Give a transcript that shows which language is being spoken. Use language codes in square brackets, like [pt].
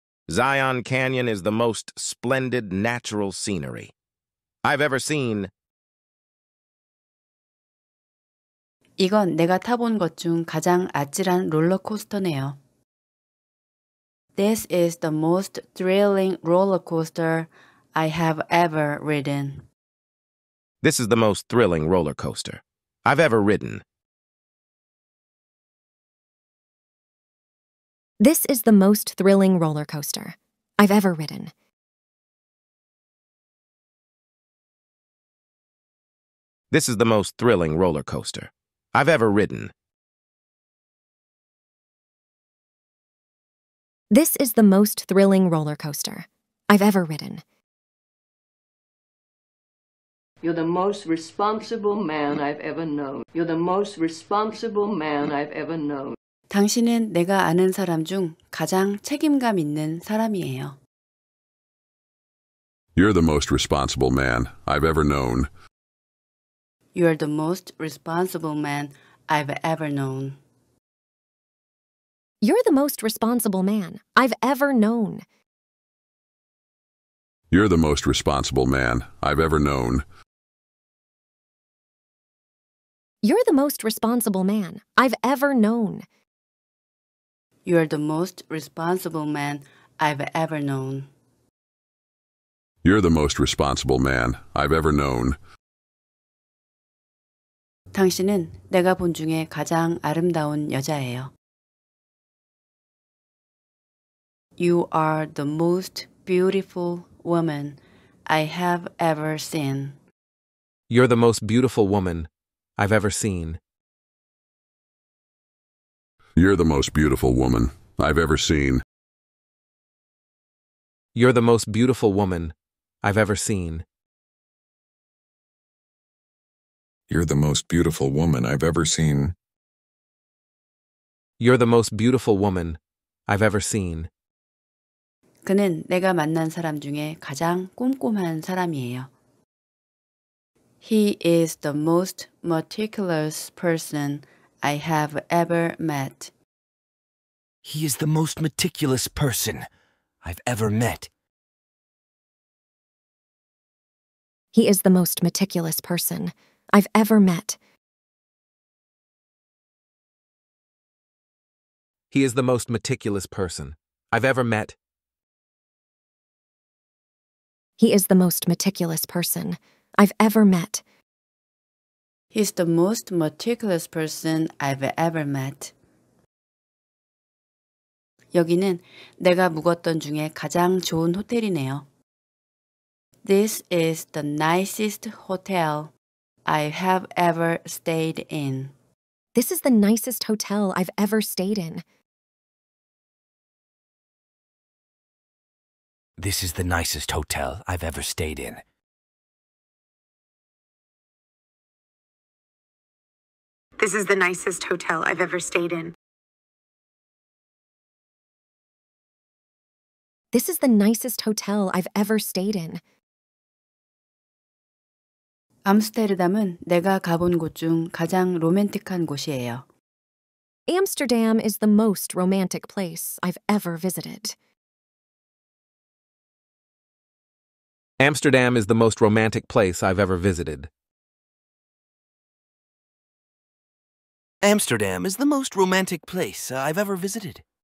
[en] Zion Canyon is the most splendid natural scenery I've ever seen. [ko] 이건 내가 타본 것 중 가장 아찔한 롤러코스터네요. [en] This is the most thrilling roller coaster I have ever ridden. This is the most thrilling roller coaster I've ever ridden. This is the most thrilling roller coaster I've ever ridden. This is the most thrilling roller coaster I've ever ridden. This is the most thrilling roller coaster I've ever ridden. You're the most responsible man I've ever known. You're the most responsible man I've ever known. [ko] 당신은 내가 아는 사람 중 가장 책임감 있는 사람이에요. [en] You're the most responsible man I've ever known. You're the most responsible man I've ever known. You're the most responsible man I've ever known. You're the most responsible man I've ever known. You're the most responsible man I've ever known. You're the most responsible man I've ever known. You're the most responsible man I've ever known. [ko] 당신은 내가 본 중에 가장 아름다운 여자예요. [en] You are the most beautiful woman I have ever seen. You're the most beautiful woman I've ever seen. You're the most beautiful woman I've ever seen. You're the most beautiful woman I've ever seen. You're the most beautiful woman I've ever seen. You're the most beautiful woman I've ever seen. [ko] 그는 내가 만난 사람 중에 가장 꼼꼼한 사람이에요. [en] He is the most meticulous person I have ever met. He is the most meticulous person I've ever met. He is the most meticulous person I've ever met. He is the most meticulous person I've ever met. He is the most meticulous person I've ever met. He's the most meticulous person I've ever met. [ko] 여기는 내가 묵었던 중에 가장 좋은 호텔이네요. [en] This is the nicest hotel I have ever stayed in. This is the nicest hotel I've ever stayed in. This is the nicest hotel I've ever stayed in. This is the nicest hotel I've ever stayed in. This is the nicest hotel I've ever stayed in. [ko] 암스테르담은 내가 가본 곳 중 가장 로맨틱한 곳이에요. [en] Amsterdam is the most romantic place I've ever visited. Amsterdam is the most romantic place I've ever visited. Amsterdam is the most romantic place I've ever visited.